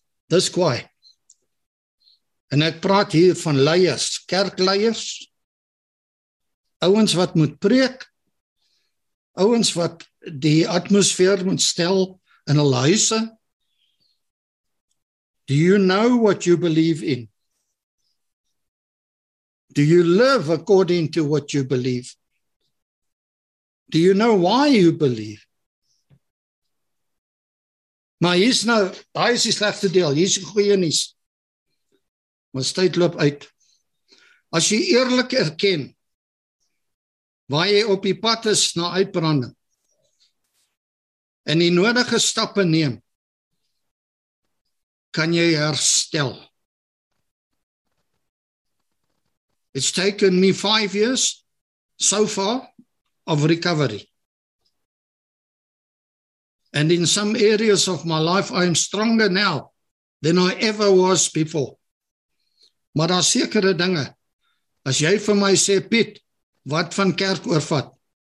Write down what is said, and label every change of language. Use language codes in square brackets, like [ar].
[af] Dis kwaai. En ek praat hier van leiers, kerkleiers, ouens wat moet preek, ouens wat die atmosfeer moet stel in hulle huise. [en] Do you know what you believe in? Do you live according to what you believe? Do you know why you believe? [af] Maar hier is nou, daar is die slechte deel, hier is die goeie nies. Maar tyd loop uit. As jy eerlik erken, waar jy op die pad is na uitbranding, en die nodige stappe neem, kan jy herstel. [en] It's taken me 5 years, so far, of recovery. And in some areas of my life, I am stronger now than I ever was before. [af] Maar daar sekere dinge, as jy vir my sê, Piet, wat van kerk oorvat?